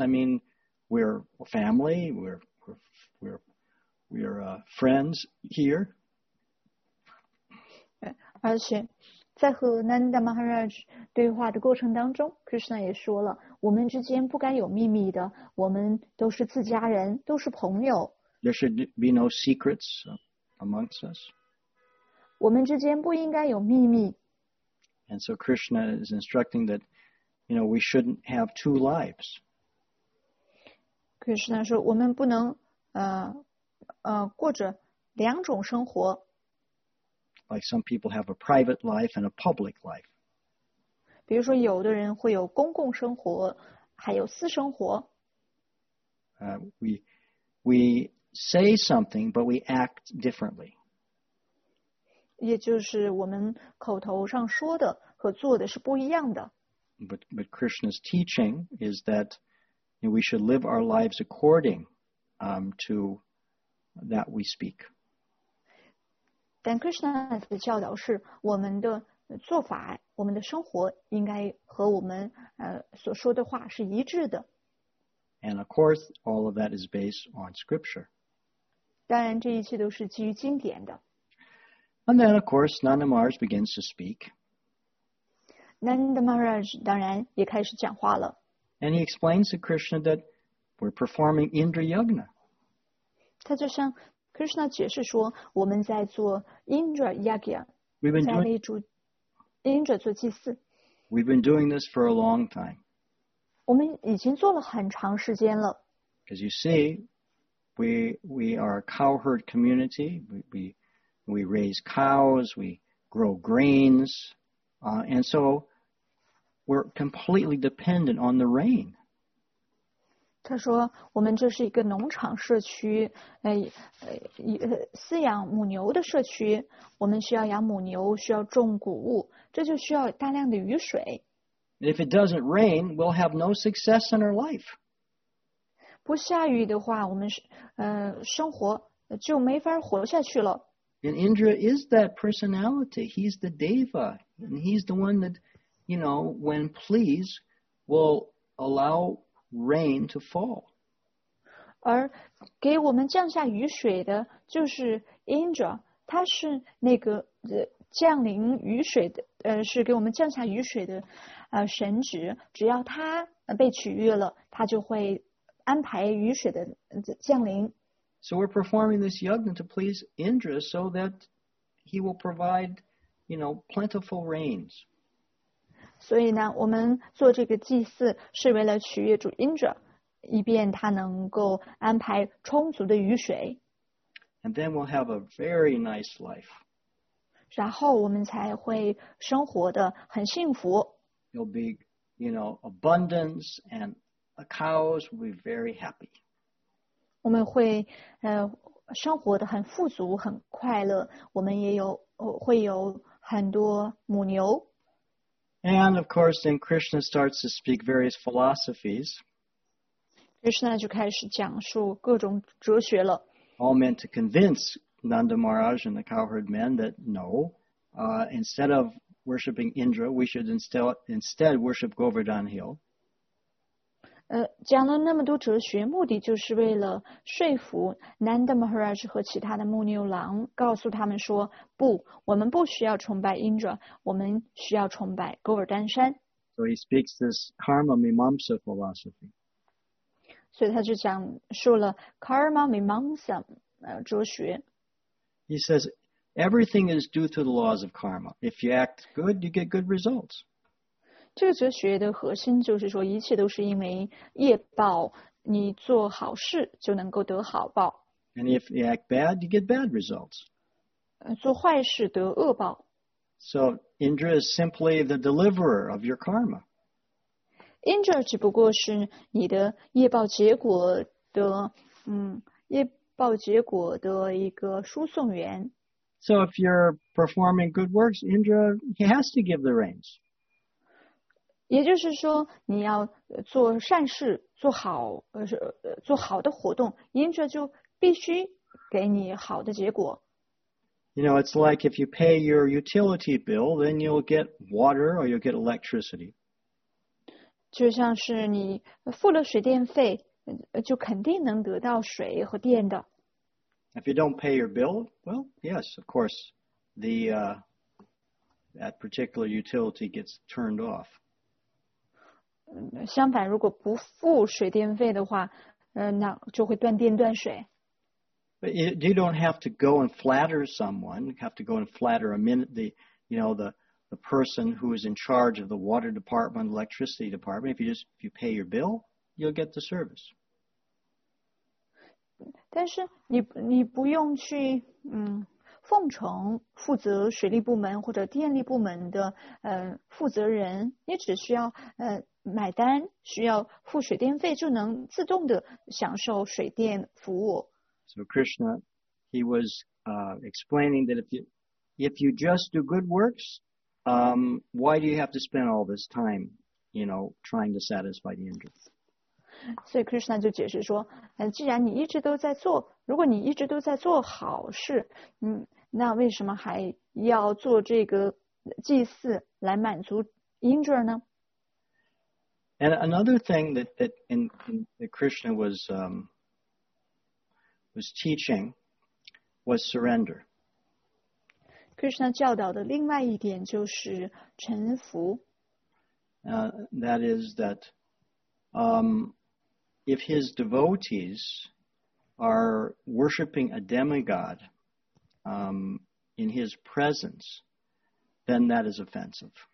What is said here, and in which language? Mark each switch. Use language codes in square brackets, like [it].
[en] I mean, we're family, we're friends here. [zh] 而且，在和 Nanda Maharaj 对话的过程当中，Krishna 也说了，我们之间不该有秘密的，我们都是自家人，都是朋友。 [en] There should be no secrets amongst us. [zh] 我们之间不应该有秘密。 [en] And so Krishna is instructing that, we shouldn't have two lives. [zh] Krishna 说，我们不能，过着两种生活。 [en] Like some people have a private life and a public life. [zh] 比如说，有的人会有公共生活，还有私生活。 [en] We say something, but we act differently. [zh] 也就是我们口头上说的和做的是不一样的。 [en] But Krishna's teaching is that we should live our lives according to that we speak. [zh] 但 Krishna 的教导是，我们的做法、我们的生活应该和我们所说的话是一致的。 [en] And of course, all of that is based on scripture. [zh] 当然，这一切都是基于经典的。 [en] And then, of course, Nanda Maharaj begins to speak. [zh] Nanda Maharaj 当然也开始讲话了。 [en] And he explains to Krishna that we're performing Indra Yajna. [zh] 他就像 Krishna 解释说，我们在做 Indra Yajna，在为主 Indra 做祭祀。 [en] We've been doing this for a long time. [zh] 我们已经做了很长时间了。 [en] Because you see, we are a cowherd community. We raise cows, we grow grains, and so we're completely dependent on the rain. [zh] 他说：“我们这是一个农场社区，饲养母牛的社区。我们需要养母牛，需要种谷物，这就需要大量的雨水。 [en] If it doesn't rain, we'll have no success in our life. [zh] 不下雨的话，我们生活就没法活下去了。” [en] And Indra is that personality. He's the deva, and he's the one that, when pleased, will allow rain to fall. [zh] 而给我们降下雨水的就是 Indra，他是那个降临雨水的，是给我们降下雨水的，神职。只要他被取悦了，他就会安排雨水的降临。 [en] So we're performing this yajna to please Indra so that he will provide, plentiful rains. [zh] 所以呢，我们做这个祭祀是为了取悦主 Indra，以便他能够安排充足的雨水。 [en] And then we'll have a very nice life. [zh] 然后我们才会生活得很幸福。 [en] There'll be, you know, abundance and the cows will be very happy. [zh] 我们会生活得很富足很快乐我们也有会有很多母牛。 [en] And of course, then Krishna starts to speak various philosophies. [zh] Krishna 就开始讲述各种哲学了。 [en] All meant to convince Nanda Maharaj and the cowherd men that no, instead of worshipping Indra, we should instead worship Govardhan Hill. [zh] 讲了那么多哲学，目的就是为了说服 Nanda Maharaj 和其他的牧牛郎，告诉他们说，不，我们不需要崇拜 Indra, 我们需要崇拜 Govardhan 山。 [en] So he speaks this Karma Mimamsa philosophy. [zh] 所以他就讲述了 Karma Mimamsa 哲学。 [en] He says, everything is due to the laws of karma. If you act good, you get good results. [zh] 这个哲学的核心就是说，一切都是因为业报，你做好事就能够得好报。 [en] And if you act bad, you get bad results. [zh] 做坏事得恶报。 [en] So Indra is simply the deliverer of your karma. [zh] Indra 只不过是你的业报结果的，业报结果的一个输送员。 [en] So if you're performing good works, Indra, he has to give the reins. [zh] 也就是说，你要做善事，做好做好的活动 ，Indra 就必须给你好的结果。 [en] You know, it's like if you pay your utility bill, then you'll get water or you'll get electricity. [zh] 就像是你付了水电费，就肯定能得到水和电的。 [en] If you don't pay your bill, well, yes, of course, that particular utility gets turned off. [zh] 相反，如果不付水电费的话，那就会断电断水。 [en] But you don't have to go and flatter someone. You have to go and flatter the person who is in charge of the water department, electricity department. If you pay your bill, you'll get the service. [zh] 但是你不用去奉承负责水利部门或者电力部门的负责人，你只需要买单，需要付水电费就能自动的享受水电服务。 [en] So Krishna, he was explaining that if you just do good works, why do you have to spend all this time, you know, trying to satisfy the Indra? [zh] 所以 Krishna 就解释说，既然你一直都在做，如果你一直都在做好事，那为什么还要做这个祭祀来满足 Indra 呢？ [en] And another thing that Krishna was teaching was surrender. [zh] Krishna 教导的另外一点就是臣服。 [en] That is that, if his devotees are worshipping a demigod in his presence, then that is offensive.